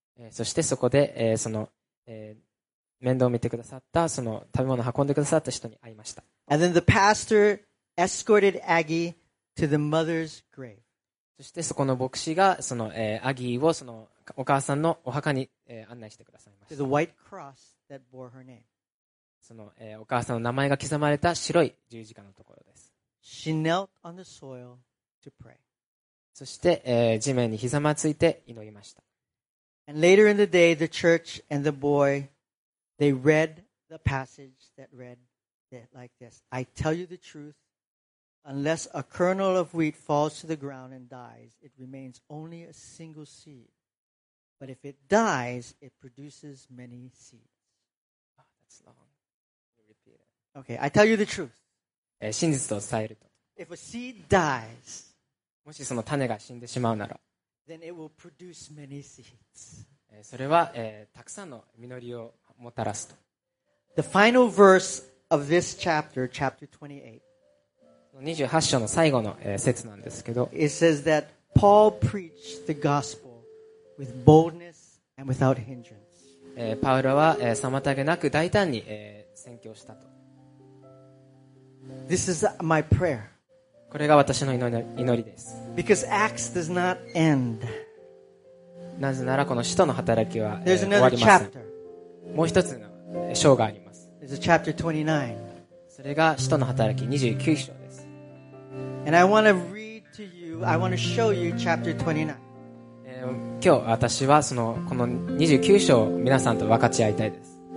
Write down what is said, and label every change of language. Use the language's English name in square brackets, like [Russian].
[Japanese] そしてそこで、その、面倒を見てくださったその食べ物を運んでくださった人に会いました。 [English] And then the pastor escorted Aggie to the mother's grave. [Japanese] そしてそこの牧師がその、アギーをそのお母さんのお墓に、案内してくださいました。 [English] To the white cross that bore her name. [Japanese] その、お母さんの名前が刻まれた白い十字架のところです。 [English] She knelt on the soil to pray. [Japanese] そして、地面にひざまついて祈りました。 [English] And later in the day, the church and the boy, they read the passage that read it like this. I tell you the truth, unless a kernel of wheat falls to the ground and dies, it remains only a single seed. But if it dies, it produces many seeds. Oh, that's long. Let me repeat it. Okay, I tell you the truth. [Japanese] 真実を伝えると。 [English] If a seed dies, [Japanese] もしその種が死んでしまうなら、 [English] Then it will produce many seeds. [Japanese] それは、たくさんの実りをもたらすと。 [English] The final verse of this chapter, chapter 28, [Japanese] 28章の最後の、節なんですけど、 [English] It says that Paul preached the gospel with boldness and without hindrance. [Japanese] パウロは、妨げなく大胆に、宣教したと。 [English] This is my prayer. [Japanese] これが私の祈りです。 [English] Because Acts does not end. [Japanese] なぜならこの使徒の働きは終わりません。もう一つの章があります。 [English] There's a chapter 29. [Japanese] それが使徒の働き29章です。 [English] And I want to read to you, I want to show you chapter 29. [Japanese] 今日私はそのこの29章を皆さんと分かち合いたいです。